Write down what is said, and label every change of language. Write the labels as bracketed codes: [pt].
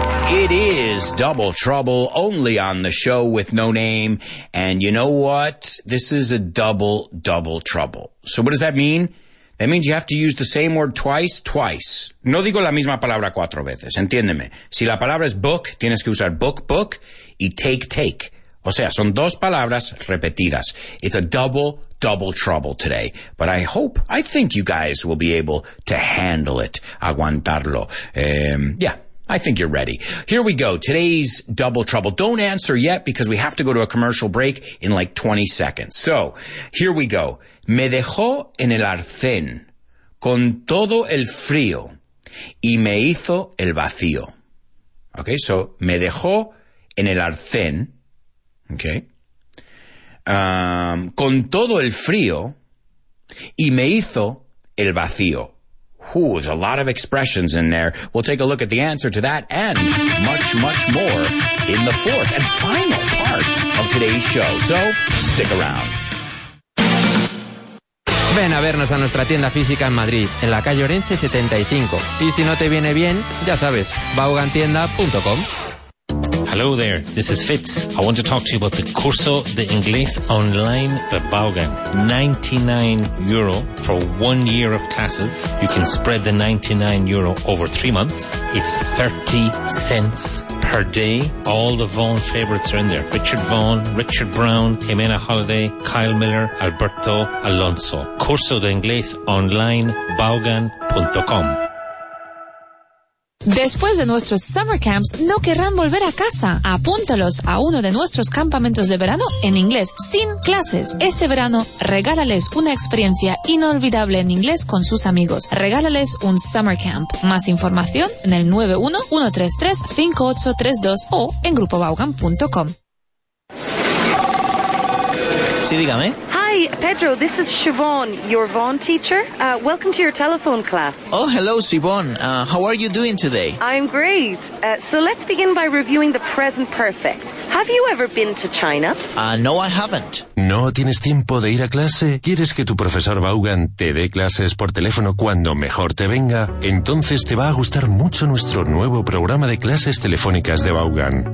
[en] It is Double Trouble, only on the show with no name. And you know what? This is a double, double trouble. So what does that mean? That means you have to use the same word twice, twice. [es] No digo la misma palabra cuatro veces, entiéndeme. Si la palabra es book, tienes que usar book, book, y take, take. O sea, son dos palabras repetidas. [en] It's a double, double trouble today. But I think you guys will be able to handle it, [es] aguantarlo. [en] I think you're ready. Here we go. Today's Double Trouble. Don't answer yet because we have to go to a commercial break in like 20 seconds. So, here we go. [es] Me dejó en el arcén con todo el frío y me hizo el vacío. Okay, so, me dejó en el arcén, okay, con todo el frío y me hizo el vacío. [en] Ooh, there's a lot of expressions in there. We'll take a look at the answer to that and much, much more in the fourth and final part of today's show. So, stick around. [es] Ven a vernos a nuestra tienda física en Madrid, en la calle Orense 75. Y si no te viene bien, ya sabes, baugantienda.com. [en] Hello there, this is Fitz. I want to talk to you about the Curso de Inglés Online, the Baugan. 99 euro for 1 year of classes. You can spread the 99 euro over 3 months. It's 30 cents per day. All the Vaughan favorites are in there. Richard Vaughan, Richard Brown, Jimena Holiday, Kyle Miller, Alberto Alonso. [es] Curso de Inglés Online, baugan.com. Después de nuestros summer camps, no querrán volver a casa. Apúntalos a uno de nuestros campamentos de verano en inglés, sin clases. Este verano, regálales una experiencia inolvidable en inglés con sus amigos. Regálales un summer camp. Más información en el 91-133-5832 o en grupobaugan.com. Sí, dígame. [en] Hi, Pedro, this is Siobhan, your Vaughan teacher. Welcome to your telephone class. Oh, hello, Siobhan. How are you doing today? I'm great. So let's begin by reviewing the present perfect. Have you ever been to China? No, I haven't. [es] ¿No tienes tiempo de ir a clase? ¿Quieres que tu profesor Vaughan te dé clases por teléfono cuando mejor te venga? Entonces te va a gustar mucho nuestro nuevo programa de clases telefónicas de Vaughan.